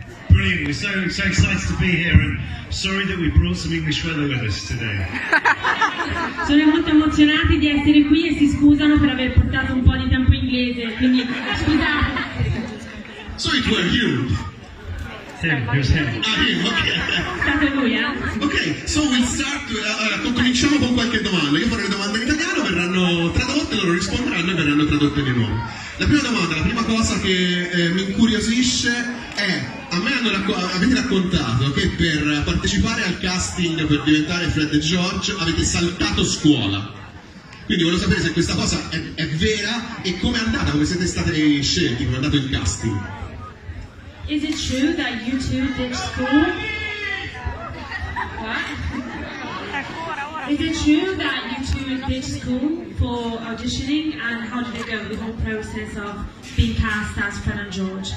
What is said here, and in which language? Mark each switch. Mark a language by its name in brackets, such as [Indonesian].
[English] Brilliant, we're so, so excited to be here and sorry that we brought some English weather with us today. [Italian] Sono molto emozionati di essere qui e si scusano per aver portato un po' di tempo inglese, quindi scusate. [English] So it were you? Him, it was him. Ah, him, okay. [Italian] Stato lui, [English] Ok, so we'll start, [Italian] cominciamo con qualche domanda. Io farò le domande in italiano, verranno tradotte, loro risponderanno e verranno tradotte di nuovo. La prima domanda, la prima cosa che mi incuriosisce è, a me hanno avete raccontato che per partecipare al casting per diventare Fred e George avete saltato scuola. Quindi volevo sapere se questa cosa è vera e com'è andata, come siete stati scelti, come è andato il casting. [English] Is it true that you two did school? Is it true that you two did school for auditioning, and how did it go, the whole process of being cast as Fred and George?